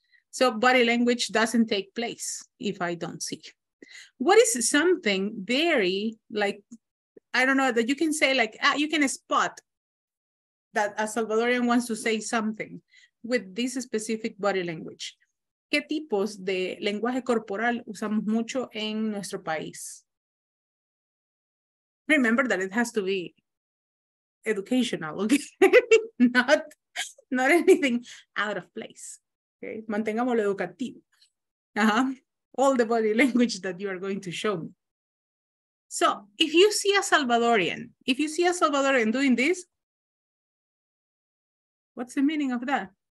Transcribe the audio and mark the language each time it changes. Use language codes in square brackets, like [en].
[en] So body language doesn't take place if I don't see you. What is something very, like, I don't know, that you can say, like, you can spot that a Salvadorian wants to say something with this specific body language? [es] ¿Qué tipos de lenguaje corporal usamos mucho en nuestro país? [en] Remember that it has to be educational, okay? not anything out of place, okay? [es] Mantengamos lo educativo. [en] All the body language that you are going to show me. So if you see a Salvadorian, if you see a Salvadorian doing this, what's the meaning of that?